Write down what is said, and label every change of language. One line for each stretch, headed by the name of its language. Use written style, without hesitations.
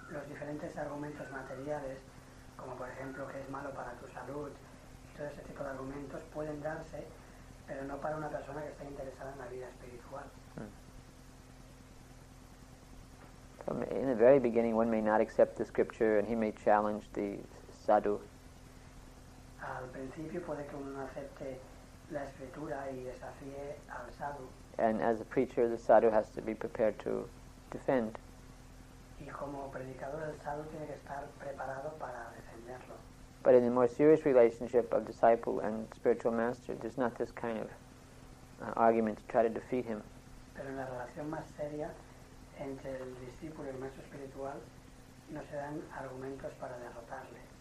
Spanish: Los diferentes argumentos materiales, como por ejemplo que es malo para tu salud, todo ese tipo de argumentos pueden darse, pero no para una persona que está interesada en la vida espiritual. Hmm.
English: So in the very beginning, one may not accept the scripture, and he may challenge the sadhu.
Spanish: Al principio puede que uno no acepte la escritura y desafíe al sadhu.
English: And as a preacher, the sadhu has to be prepared to defend.
Spanish: Y como predicador, el sadhu tiene que estar preparado para defenderlo.
English: But in the more serious relationship of disciple and spiritual master, there's not this kind of argument to try to defeat him.
Spanish: Pero en la relación más seria entre el discípulo y el maestro espiritual, no se dan argumentos para derrotarle.